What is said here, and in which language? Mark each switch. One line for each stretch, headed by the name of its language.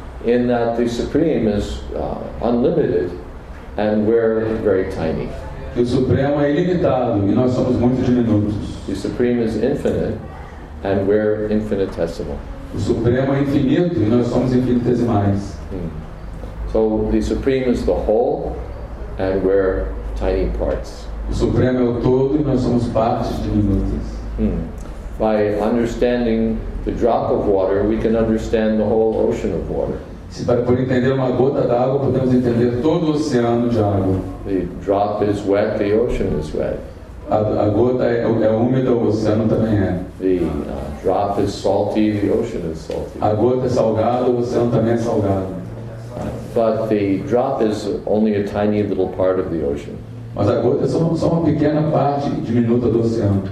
English: In that the Supreme is unlimited, and we're very tiny.
Portuguese: O Supremo é ilimitado e nós somos muito diminutos.
English: The Supreme is infinite, and we're infinitesimal.
Portuguese: O Supremo é infinito e nós somos infinitesimais.
English: So the Supreme is the whole, and we're tiny parts.
Portuguese: O Supremo é o todo e nós somos partes diminutas.
English: By understanding the drop of water, we can understand the whole ocean of water.
Portuguese: Se por entender uma gota d'água, podemos entender todo o oceano de água.
English: The drop is wet, the ocean is wet.
Portuguese: A gota é úmida, o oceano também é.
English: The drop is salty, the ocean is salty.
Portuguese: A gota é salgada, o oceano também é salgado.
English: But the drop is only a tiny little part of the ocean.
Portuguese: Mas a gota é só uma pequena parte diminuta do oceano.